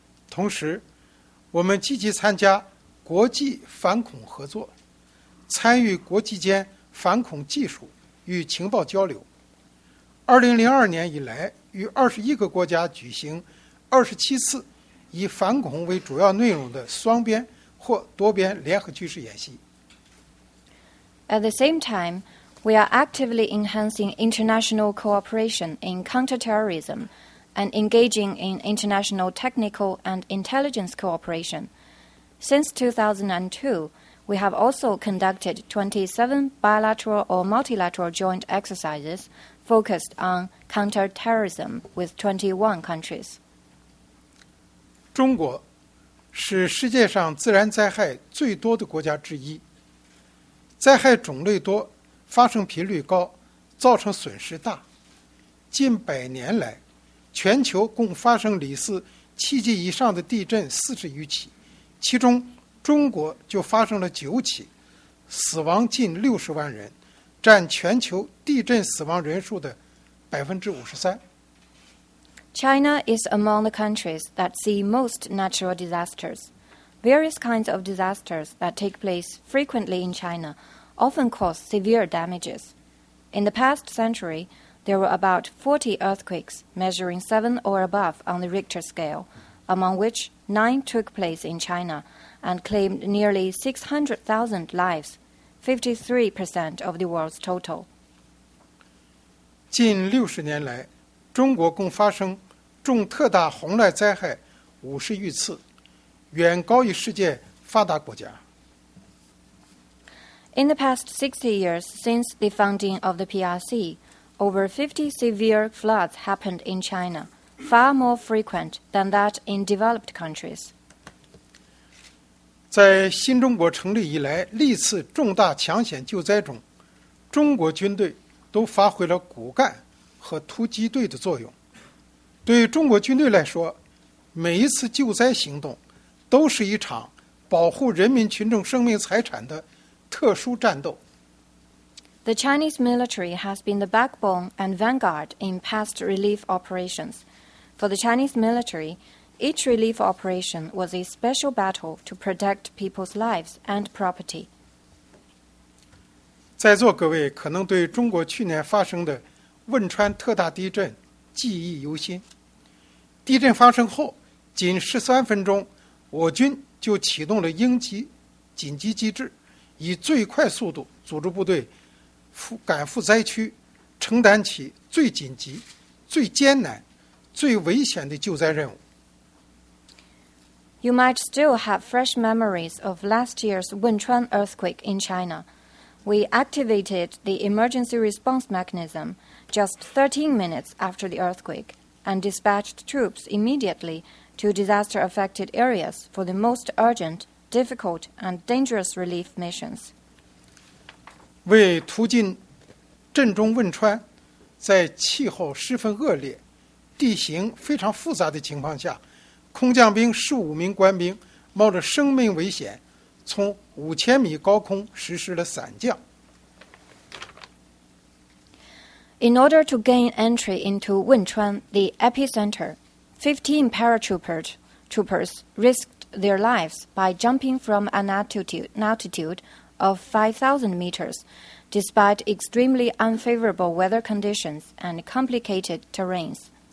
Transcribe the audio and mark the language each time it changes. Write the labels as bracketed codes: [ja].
[zh] 同时，我们积极参加国际反恐合作，参与国际间反恐技术与情报交流。 2002年以来，与21个国家举行27次以反恐为主要内容的双边或多边联合军事演习。 [en] At the same time, we are actively enhancing international cooperation in counterterrorism and engaging in international technical and intelligence cooperation. Since 2002, we have also conducted 27 bilateral or multilateral joint exercises focused on counterterrorism with 21 countries. [zh] 中国是世界上自然灾害最多的国家之一。灾害种类多，发生频率高，造成损失大。近百年来，全球共发生里氏7级以上的地震40余起，其中中国就发生了9起，死亡近60万人，占全球地震死亡人数的53%。 [en] China is among the countries that see most natural disasters. Various kinds of disasters that take place frequently in China often cause severe damages. In the past century, there were about 40 earthquakes measuring 7 or above on the Richter scale, among which 9 took place in China and claimed nearly 600,000 lives, 53% of the world's total. [zh] 近60年来，中国共发生重特大洪涝灾害50余次，远高于世界发达国家。 [en] In the past 60 years since the founding of the PRC, over 50 severe floods happened in China, far more frequent than that in developed countries. [zh] 在新中国成立以来，历次重大抢险救灾中，中国军队都发挥了骨干和突击队的作用。对中国军队来说，每一次救灾行动都是一场保护人民群众生命财产的特殊战斗。 [en] The Chinese military has been the backbone and vanguard in past relief operations. For the Chinese military, each relief operation was a special battle to protect people's lives and property. [zh] 在座各位可能对中国去年发生的汶川特大地震记忆犹新。地震发生后，仅13分钟，我军就启动了应急紧急机制，以最快速度组织部队赶赴灾区，承担起最紧急、最艰难、最危险的救灾任务。 [en] You might still have fresh memories of last year's Wenchuan earthquake in China. We activated the emergency response mechanism just 13 minutes after the earthquake and dispatched troops immediately to disaster-affected areas for the most urgent, difficult, and dangerous relief missions. [zh] 为途经震中汶川，在气候十分恶劣、地形非常复杂的情况下，空降兵15名官兵冒着生命危险，从5000米高空实施了伞降。 [en] In order to gain entry into Wenchuan, the epicenter, 15 paratroopers risked their lives by jumping from an altitude of 5,000 meters, despite extremely unfavorable weather conditions and complicated terrains.